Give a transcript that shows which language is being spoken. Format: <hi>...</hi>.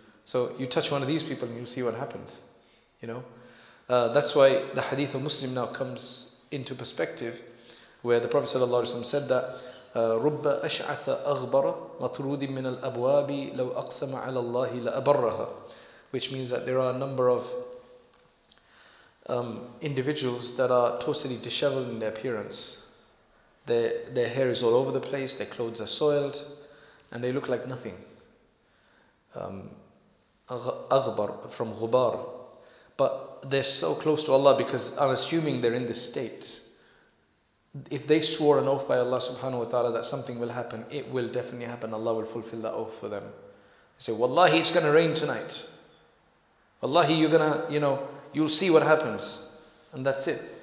<en>So you touch one of these people and you see what happened. You know, that's why the hadith of Muslim now comes into perspective, where the Prophet sallallahu alaihi wasallam said that</en> <ar>رب أشعث أغبر مطرود من الأبواب لو أقسم على الله لأبرها,</ar> <en>which means that there are a number of individuals that are totally disheveled in their appearance. Their hair is all over the place, their clothes are soiled, and they look like nothing.</en> <ar>أغبر from غبار.</ar> <en>But they're so close to Allah, because I'm assuming they're in this state. If they swore an oath by Allah subhanahu wa ta'ala that something will happen, it will definitely happen. Allah will fulfill that oath for them. They say, Wallahi, it's going to rain tonight. Wallahi, you're going to, you know, you'll see what happens. And that's it.</en>